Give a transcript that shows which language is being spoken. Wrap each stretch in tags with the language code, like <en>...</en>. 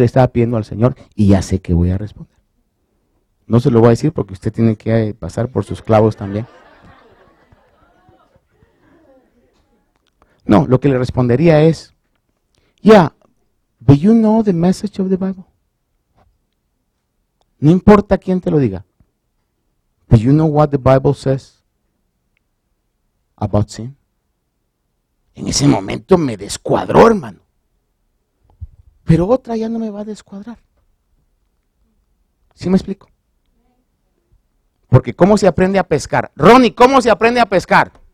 <es>Estaba pidiendo al Señor y ya sé que voy a responder. No se lo voy a decir porque usted tiene que pasar por sus clavos también. No, lo que le respondería es,</es> <en>yeah, but you know the message of the Bible.</en> <es>No importa quién te lo diga.</es> <en>Do you know what the Bible says about sin?</en> <es>En ese momento me descuadró, hermano. Pero otra ya no me va a descuadrar. ¿Sí me explico? Porque ¿cómo se aprende a pescar? Ronnie, ¿cómo se aprende a pescar?</es>